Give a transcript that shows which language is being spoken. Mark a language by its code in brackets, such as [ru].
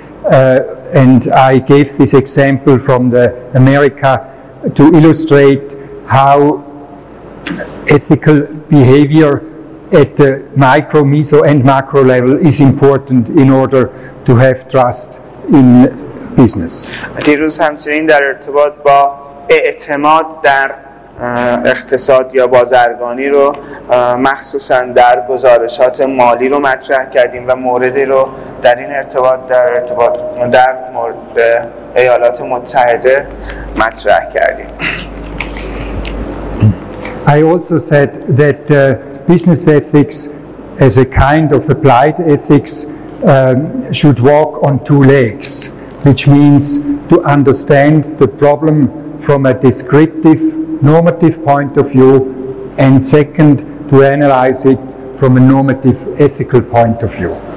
[en] And I gave this example from the America to illustrate how ethical behavior at the micro, meso, and macro level is important in order to have trust in business. [fa] دیروز همچنین در ارتباط با اعتماد در اقتصاد یا بازرگانی رو مخصوصا در گزارشات مالی رو مطرح کردیم و موردی رو در این ارتباط در مورد ایالات متحده مطرح کردیم. [en] I also said that business ethics as a kind of applied ethics should walk on two legs, which means to understand the problem from a descriptive normative point of view and second to analyze it from a normative ethical point of view.